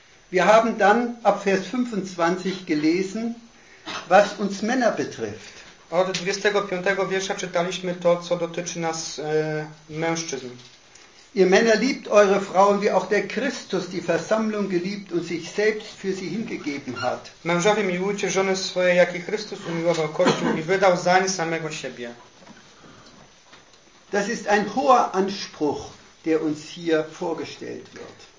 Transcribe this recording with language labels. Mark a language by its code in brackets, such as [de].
[de] Wir haben dann ab Vers 25 gelesen, was uns Männer betrifft. [pl] Od 25 wiersza czytaliśmy to, co dotyczy nas mężczyzn. [de] Ihr Männer liebt eure Frauen, wie auch der Christus die Versammlung geliebt und sich selbst für sie hingegeben hat. [pl] Mężowie, miłujcie żony swoje, jak i Chrystus umiłował Kościół i wydał zań samego siebie. [de] Das ist ein hoher Anspruch, der uns hier vorgestellt wird.